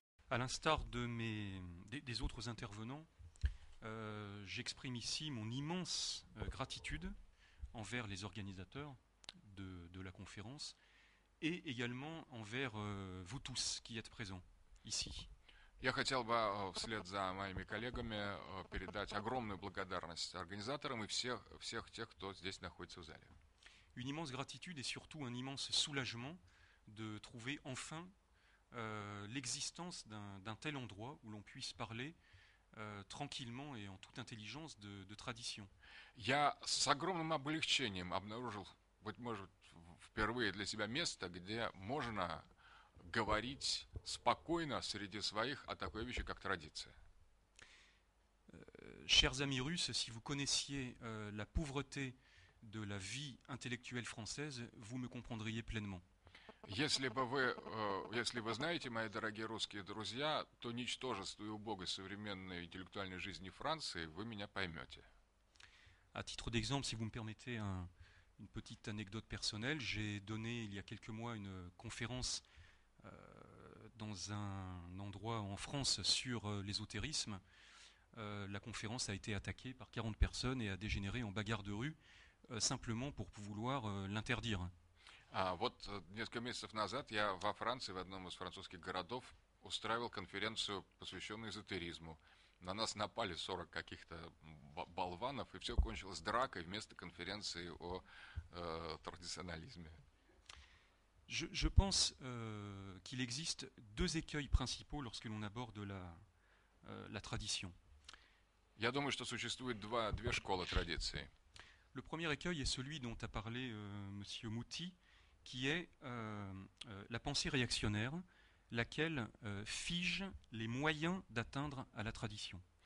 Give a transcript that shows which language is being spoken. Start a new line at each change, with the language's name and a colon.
French: À l'instar des autres intervenants, j'exprime ici mon immense gratitude envers les organisateurs de la conférence et également envers vous tous qui êtes présents ici.
Russian: Я хотел бы вслед за моими коллегами передать огромную благодарность организаторам и всех тех, кто здесь находится в зале.
French: Une immense gratitude et surtout un immense soulagement de trouver enfin l'existence d'un tel endroit où l'on puisse parler tranquillement et en toute intelligence de tradition.
Russian: Я с огромным облегчением обнаружил, быть может, впервые для себя место, где можно говорить спокойно среди своих о такой вещи, как традиция.
French: Chers amis russes, si vous connaissiez la pauvreté de la vie intellectuelle française, vous me comprendriez pleinement.
Russian: Если бы вы знаете, мои дорогие русские друзья, то ничтожество и убогость современной интеллектуальной жизни Франции, вы меня поймете.
French: À titre d'exemple, si vous me permettez une petite anecdote personnelle, j'ai donné il y a quelques mois une conférence dans un endroit en France sur l'ésotérisme. La conférence a été attaquée par 40 personnes et a dégénéré en bagarre de rue simplement pour vouloir l'interdire.
Russian: Вот несколько месяцев назад я во Франции, в одном из французских городов, устраивал конференцию, посвященную эзотеризму. На нас напали 40 каких-то болванов, и все кончилось дракой вместо конференции о традиционализме.
French: Je pense qu'il existe deux écueils principaux lorsque l'on aborde la tradition.
Russian: Я думаю, что существует две школы традиции.
French: Le premier écueil est celui dont a parlé monsieur Mouti, qui est la pensée réactionnaire, laquelle fige les moyens d'atteindre à la tradition.